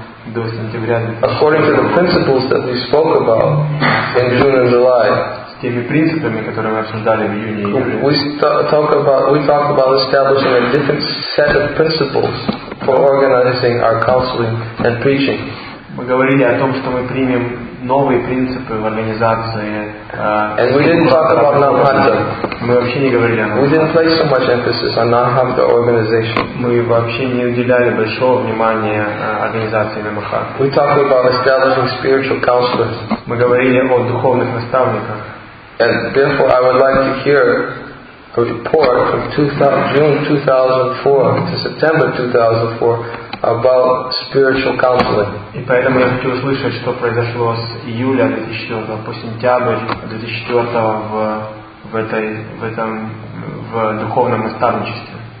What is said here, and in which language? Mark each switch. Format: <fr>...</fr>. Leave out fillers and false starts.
<en>According to the principles that we spoke about in June and July, we talked about establishing a different set of principles for organizing our counseling and preaching.</en> <ru>Мы говорили о том, что мы примем новые принципы в организации.</ru> <en>And we didn't talk about Nahamda.</en> <ru>Мы вообще не говорили о Nahamda.</ru> <en>We didn't place so much emphasis on Nahamda organization.</en> <ru>Мы вообще не уделяли большого внимания организации Намахат.</ru> <en>We talked about establishing spiritual counselors.</en> <ru>Мы говорили о духовных наставниках.</ru> <en>And therefore, I would like to hear a report from June 2004 to September 2004. about spiritual counseling.</en> <ru>И поэтому я хочу услышать, что произошло с июля 2004 по сентябрь 2004 в духовном наставничестве.</ru>